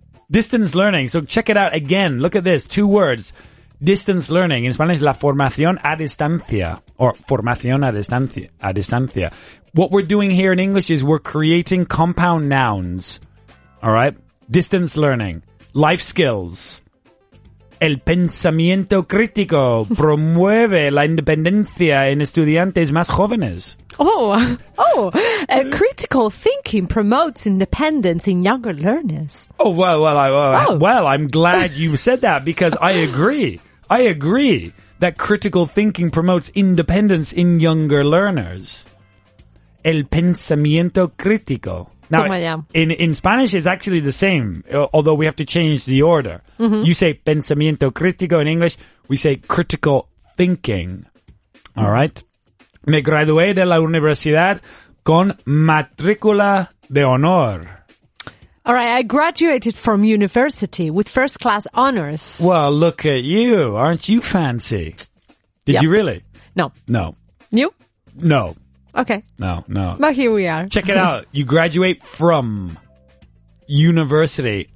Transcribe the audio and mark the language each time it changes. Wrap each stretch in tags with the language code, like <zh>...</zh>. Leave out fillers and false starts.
<en>Distance learning. So check it out again. Look at this. 2 words. Distance learning. In Spanish,</en> <es>la formación a distancia.</es> <en>Or</en> <es>formación a distancia.</es> <en>What we're doing here in English is we're creating compound nouns. All right? Distance learning. Life skills.</en> <es>El pensamiento crítico promueve la independencia en estudiantes más jóvenes.</es> <en>Oh, critical thinking promotes independence in younger learners. Oh, well, I'm glad you said that because I agree. I agree that critical thinking promotes independence in younger learners.</en> <es>El pensamiento crítico.</es> <en>Now, in Spanish, it's actually the same, although we have to change the order. Mm-hmm. You say</en> <es>pensamiento crítico</es> <en>in English. We say critical thinking. All right.</en> <es>Me gradué de la universidad con matrícula de honor.</es> <en>All right. I graduated from university with first class honors. Well, look at you. Aren't you fancy? Did you really? No. No. You? No. Okay. No. But here we are. Check it out. You graduate from university.</en>